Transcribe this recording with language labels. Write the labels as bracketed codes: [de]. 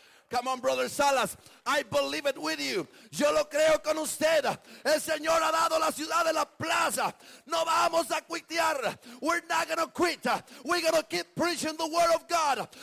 [en] Come on, Brother Salas, I believe it with you. [es] Yo lo creo con usted. El Señor ha dado la ciudad de la plaza. No vamos a quitear. [en] We're not going to quit. We're going to keep preaching the word of God.